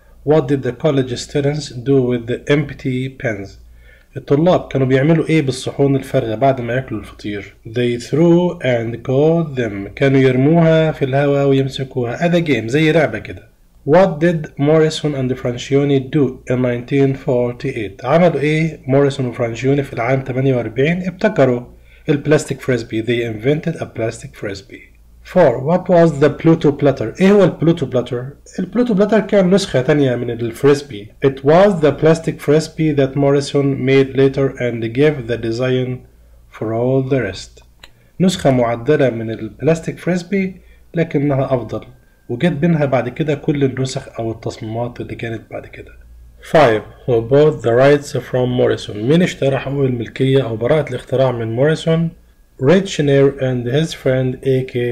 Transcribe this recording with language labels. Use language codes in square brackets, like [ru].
[en] What did the college students do with the empty pans? [ar] الطلاب كانوا بيعملوا ايه بالصحون الفارغة بعد ما ياكلوا الفطير؟ [en] They threw and caught them. [ar] كانوا يرموها في الهواء ويمسكوها. هذا جيم زي لعبة كده. [en] What did Morrison and Francione do in 1948? [ar] عملوا ايه Morrison وFrancione في العام 48؟ ابتكروا البلاستيك فريسبي. [en] They invented a plastic frisbee. 4. What was the Pluto Platter? [ar] ايه هو البلوتو بلاتر؟ البلوتو بلاتر كان نسخة تانية من الفريسبي. [en] It was the plastic frisbee that Morrison made later and gave the design for all the rest. [ar] نسخة معدلة من البلاستيك فريسبي لكنها أفضل. وجد بينها بعد كده كل النسخ أو التصميمات اللي كانت بعد كده. [en] 5. Who bought the rights from Morrison? [ar] مين اشترى حقوق الملكية أو براءة الاختراع من موريسون؟ Rich Ner and his friend A.K.